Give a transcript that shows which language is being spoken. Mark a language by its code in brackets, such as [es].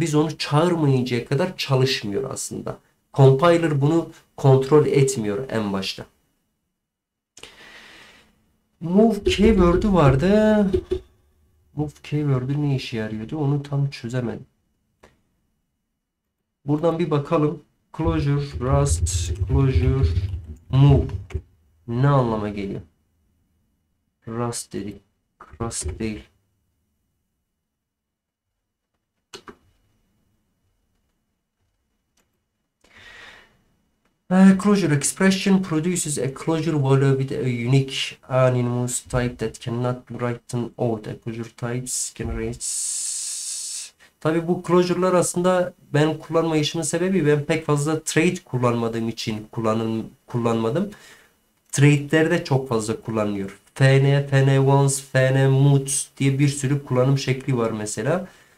[tr] Biz onu çağırmayıncaya kadar çalışmıyor aslında. Compiler bunu kontrol etmiyor en başta. Move keyword'ü vardı. Move keyword'ü ne işe yarıyordu? Onu tam çözemedim. Buradan bir bakalım. Closure, Rust, Closure, Move. Ne anlama geliyor? Rust dedik. Rust değil. [en] Closure expression produces a closure value with a unique anonymous type that cannot be written out. Closure types generates. [tr] Tabii bu closure'lar aslında ben kullanmayışımın sebebi ben pek fazla trait kullanmadığım için kullanmadım. Trait'ler de çok fazla kullanılıyor. Fn, Fn once, Fn mut diye bir sürü kullanım şekli var mesela.